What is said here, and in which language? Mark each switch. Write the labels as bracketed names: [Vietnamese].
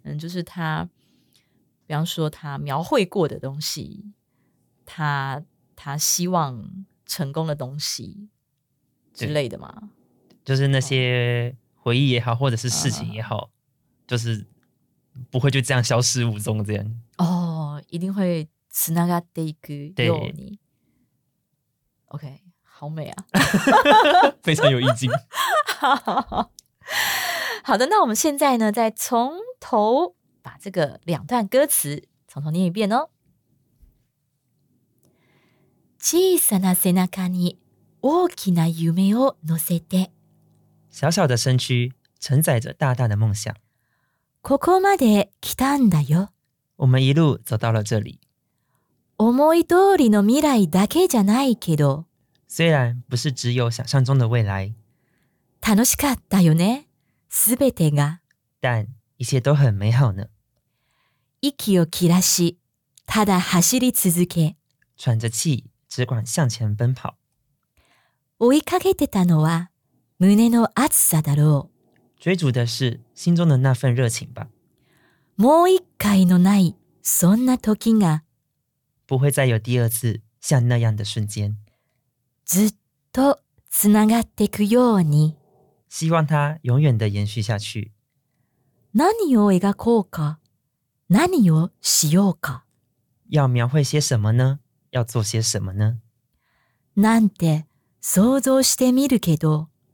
[Chinese] 嗯，就是他比方说他描绘过的东西，他希望成功的东西之类的嘛，就是那些回忆也好，或者是事情也好，就是不会就这样消失无踪这样。哦，一定会 [Japanese] つながっていくように。 [Chinese] OK， 好美啊，非常有意境。好的，那我们现在呢，再从头把这个两段歌词从头念一遍哦。 [Japanese] 小さな背中に大きな夢を乗せて， [Chinese] 小小的身躯承载着大大的梦想。 [Japanese] ここまで来たんだよ。 [Chinese] 我们一路走到了这里。 [Japanese] 思い通りの未来だけじゃないけど。 [Chinese] 虽然不是只有想象中的未来。 [Japanese] 楽しかったよね。すべてが。 [Chinese] 但一切都很美好呢。 [Japanese] 息を切らし、ただ走り続け。 [Chinese] 喘着气，只管向前奔跑。 [Japanese] 追いかけてたのは胸の熱さだろう。 [Chinese] 追逐的是心中的那份热情吧。 [Japanese] もう一回のないそんな時が。 [Chinese] 不会再有第二次像那样的瞬间。 [Japanese] ずっとつながっていくように。 [Chinese] 希望它永远的延续下去。 [Japanese] 何を描こうか、何をしようか。 [Chinese] 要描绘些什么呢？要做些什么呢？ [Japanese] なんて想像してみるけど。